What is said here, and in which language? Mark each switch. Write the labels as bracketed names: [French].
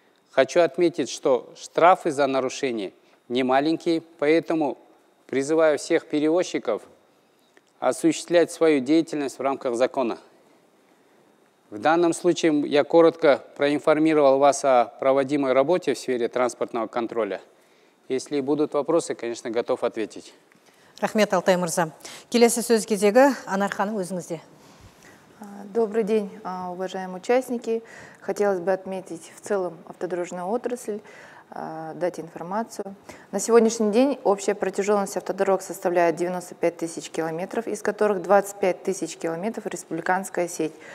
[Russian] Хочу отметить, что штрафы за нарушение не маленькие, поэтому призываю всех перевозчиков осуществлять свою деятельность в рамках закона. В данном случае я коротко проинформировал вас о проводимой работе в сфере транспортного контроля. Если будут вопросы, конечно, готов ответить. [Kazakh] Рахмет, Алтай Мырза. Келесі сөз кезегі Анар ханым өзіңізде. [Russian] Добрый день, уважаемые участники. Хотелось бы отметить в целом автодорожную отрасль, дать информацию. На сегодняшний день общая протяженность автодорог составляет 95 тысяч километров, из которых 25 тысяч километров – республиканская сеть.